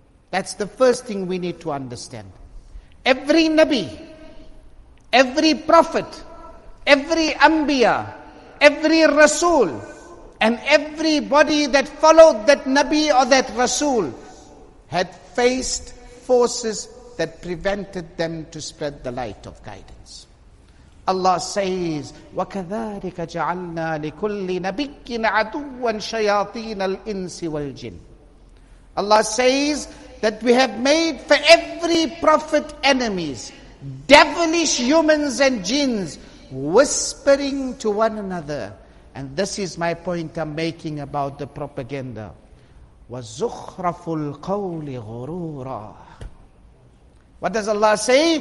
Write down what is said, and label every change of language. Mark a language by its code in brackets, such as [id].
[en] That's the first thing we need to understand. Every Nabi, every prophet, every Anbiya, every Rasul, and everybody that followed that Nabi or that Rasul had faced forces that prevented them to spread the light of guidance. Allah says, [ar] وَكَذَٰلِكَ جَعَلْنَا لِكُلِّ نَبِيٍّ عَدُوًّا شَيَاطِينَ الْإِنسِ وَالْجِنِ. [en] Allah says that we have made for every prophet enemies, devilish humans and jinns whispering to one another. And this is my point I'm making about the propaganda. [ar] وَزُخْرَفُ الْقَوْلِ غُرُورًا. [en] What does Allah say?